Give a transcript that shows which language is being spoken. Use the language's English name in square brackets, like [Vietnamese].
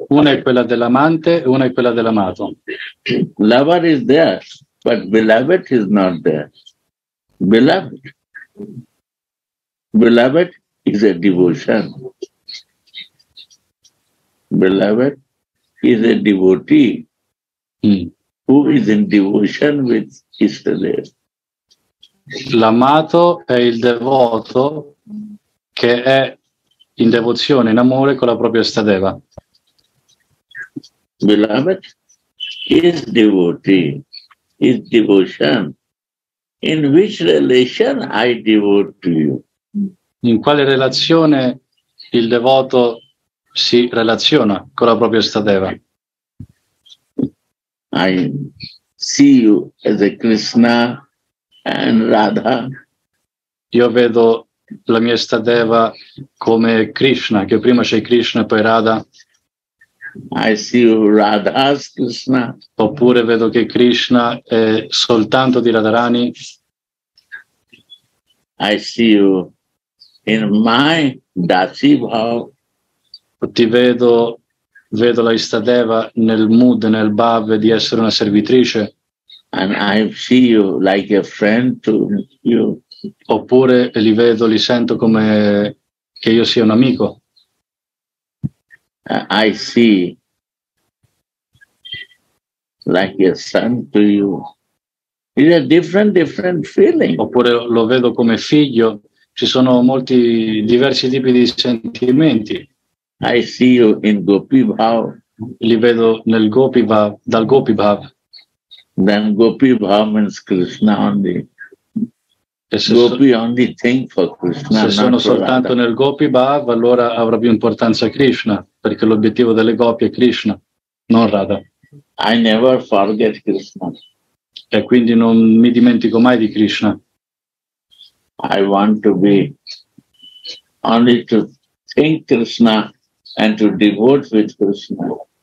[Italian] Una è quella dell'amante e una è quella dell'amato. [English] Lover is there, but beloved is not there. Beloved. Beloved is a devotion. Beloved is a devotee who is in devotion with Ishvara. [Italian] L'amato è il devoto che è in devozione, in amore con la propria Ishvara. [English] Beloved is devotee, is devotion. In which relation I devote to you? [Italian] In quale relazione il devoto si relaziona con la propria Ishvara? [English] I see you as a Krishna and Radha. [Italian] Io vedo la mia Ishvara come Krishna, che prima c'è Krishna e poi Radha. [English] I see you Radha's Krishna. [Italian] Oppure vedo che Krishna è soltanto di Radharani. [English] I see you in my dasi bhav. [Italian] Ti vedo, vedo la Ishvara nel mood, nel bhav di essere una servitrice. [English] And I see you like a friend to you. [Italian] Oppure li vedo, li sento come che io sia un amico. [English] I see like a son to you. It's a different feeling. [Italian] Oppure lo vedo come figlio. Ci sono molti diversi tipi di sentimenti. [English] I see you in Gopi Bhav. [Italian] Li vedo nel Gopi Bhav, dal Gopi Bhav. [English] Then Gopi Bhav means Krishna only. Gopi only think for Krishna. [Italian] Se sono soltanto nel Gopi Bhav, allora avrà più importanza Krishna, perché l'obiettivo delle Gopi è Krishna, non Radha. [English] I never forget Krishna. [Italian] E quindi non mi dimentico mai di Krishna. [English] I want to be only to think Krishna and to devote with Krishna.